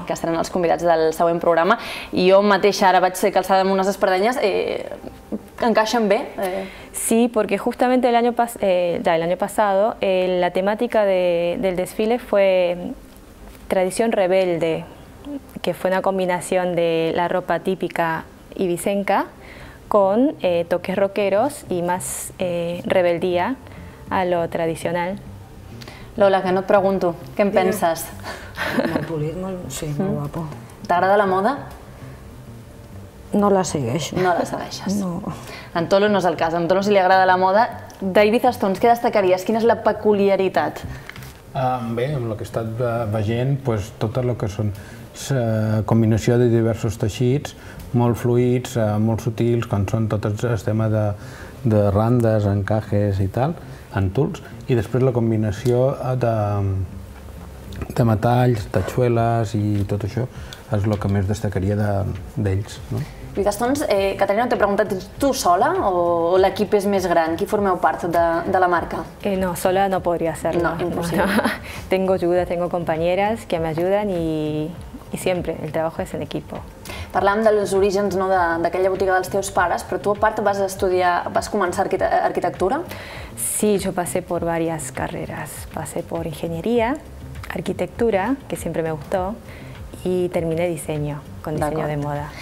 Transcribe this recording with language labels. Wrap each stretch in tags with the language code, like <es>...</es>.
<ca>Que seran els convidats del següent programa. I jo mateixa ara vaig ser calçada amb unes espardenyes.</ca> <es>¿Encaixan bien? Sí, porque justamente el año, pasado la temática del desfile fue tradición rebelde, que fue una combinación de la ropa típica ibicenca con toques rockeros y más rebeldía a lo tradicional. Lola, que no te pregunto, ¿qué piensas? Muy pulido, muy, sí, muy guapo. ¿Te agrada la moda?</es> <ca>No la segueix. No la segueixes. No. En Tolo no és el cas, en Tolo si li agrada la moda. D'Ibiza Stones, què destacaries? Quina és la peculiaritat? Bé, amb el que he estat veient, pues, tot el que són combinació de diversos teixits, molt fluïts, molt sutils, quan són tot el sistema de randes, encajes i tal, en tuls, i després la combinació de metalls, tatxueles i tot això, és el que més destacaria d'ells. Doncs, Caterina, t'he preguntat, ets tu sola o l'equip és més gran? Qui formeu part de la marca? No, sola no podria ser. No, impossible. Bueno,</ca> <es>tengo ayuda, tengo compañeras que me ayudan y siempre el trabajo es en equipo.</es> <ca>Parlàvem dels orígens, no, d'aquella botiga dels teus pares, però tu a part vas estudiar, vas començar arquitectura? Sí, jo passé per diverses carreres. Passé per enginyeria, arquitectura, que sempre</ca> <es>me gustó,</es> <ca>i terminé dissenyo, con dissenyo de moda.</ca>